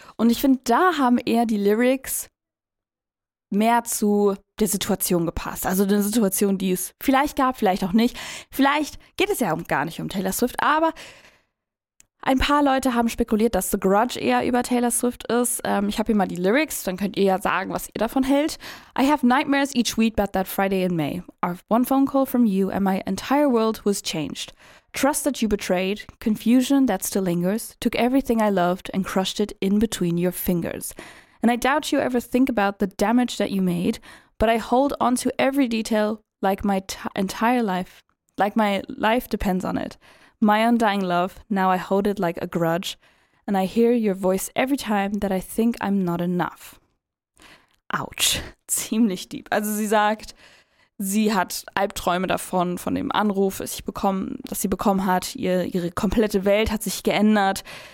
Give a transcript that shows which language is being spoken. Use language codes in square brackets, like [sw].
[de] Und ich finde, da haben eher die Lyrics mehr zu der Situation gepasst. Also eine Situation, die es vielleicht gab, vielleicht auch nicht. Vielleicht geht es ja gar nicht um Taylor Swift. Aber ein paar Leute haben spekuliert, dass The Grudge eher über Taylor Swift ist. Ich habe hier mal die Lyrics, dann könnt ihr ja sagen, was ihr davon hält. [en] I have nightmares each week but that Friday in May. One phone call from you and my entire world was changed. Trust that you betrayed, confusion that still lingers, took everything I loved and crushed it in between your fingers. And I doubt you ever think about the damage that you made, but I hold on to every detail like my entire life depends on it. My undying love, now I hold it like a grudge, and I hear your voice every time that I think I'm not enough. [de] Ouch. Ziemlich deep. Also sie sagt, sie hat Albträume davon, von dem Anruf, dass sie bekommen hat. Ihre komplette Welt hat sich geändert.